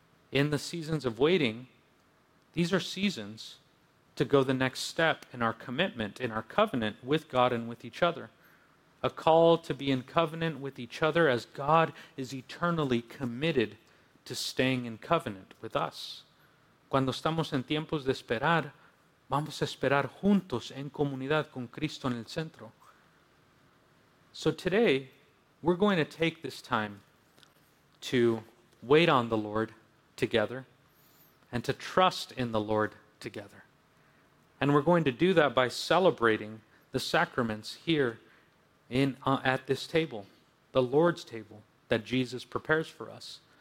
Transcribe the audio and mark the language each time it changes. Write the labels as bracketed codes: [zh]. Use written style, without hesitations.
[en] In the seasons of waiting, these are seasons to go the next step in our commitment, in our covenant with God and with each other. A call to be in covenant with each other as God is eternally committed to staying in covenant with us. [es] Cuando estamos en tiempos de esperar, vamos a esperar juntos en comunidad con Cristo en el centro. [en] So today, we're going to take this time to wait on the Lord together and to trust in the Lord together. And we're going to do that by celebrating the sacraments here at this table, the Lord's table that Jesus prepares for us.